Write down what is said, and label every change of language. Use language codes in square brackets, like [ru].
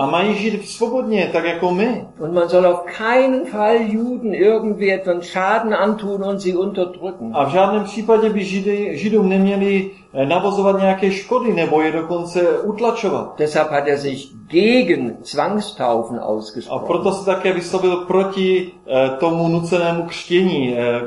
[cs] A mají žít svobodně, tak jako my. [de] Und man soll auf keinen Fall Juden irgendwie etwas Schaden antun und sie unterdrücken. [cs] A v žádném případě by Židům neměli navozovat nějaké škody nebo je dokonce utlačovat. [de] Deshalb hat er sich gegen Zwangstaufen ausgesprochen. [cs] A proto se také vyslovil proti tomu nucenému křtění.